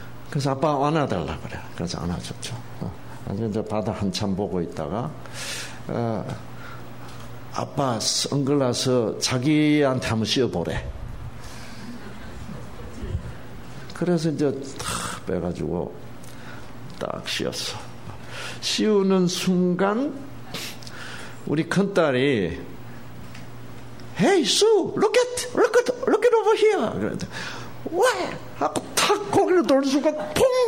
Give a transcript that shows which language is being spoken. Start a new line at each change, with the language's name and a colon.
Korean: 그래서 아빠 안아달라 그래. 그래서 안아줬죠. 이제 바다 한참 보고 있다가 아빠 선글라스 자기한테 한번 씌워보래. 그래서 이제 탁 빼가지고 딱 씌웠어. 씌우는 순간 우리 큰딸이
English: Hey Sue, look at over here.
Korean: 그랬더니 와! 하고 탁 거기로 돌린 순간 퐁!